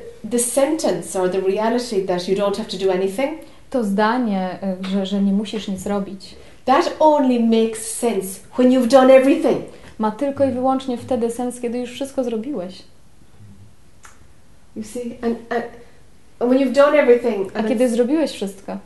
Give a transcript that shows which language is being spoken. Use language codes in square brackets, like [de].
[en] The sentence or the reality that you don't have to do anything. [pl] To zdanie, że nie musisz nic robić. [en] That only makes sense when you've done everything. [pl] Ma tylko i wyłącznie wtedy sens, kiedy już wszystko zrobiłeś. [en] You see, and when you've done everything, [pl] a kiedy zrobiłeś wszystko,